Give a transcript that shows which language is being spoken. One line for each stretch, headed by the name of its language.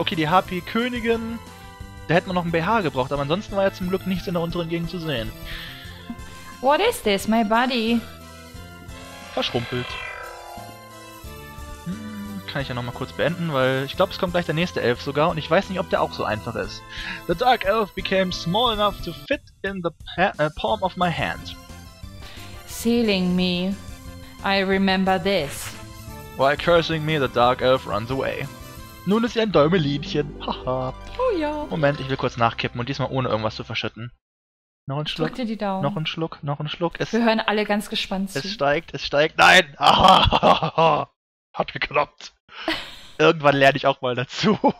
German: Okay, die Harpie-Königin, da hätte man noch ein BH gebraucht, aber ansonsten war ja zum Glück nichts in der unteren Gegend zu sehen.
English: What is this, my body?
German: Verschrumpelt. Kann ich ja nochmal kurz beenden, weil ich glaube, es kommt gleich der nächste Elf sogar und ich weiß nicht, ob der auch so einfach ist.
English: The Dark Elf became small enough to fit in the palm of my hand. Sealing me, I remember this. While cursing me, the Dark Elf runs away.
German: Nun ist sie ein Däumelinchen. Haha. Oh ja. Moment, ich will kurz nachkippen und diesmal ohne irgendwas zu verschütten. Noch ein Schluck. Drück dir die Daumen. Noch ein Schluck, noch ein Schluck. Wir hören alle ganz gespannt zu. Es steigt. Nein! Hat geklappt. Irgendwann lerne ich auch mal dazu.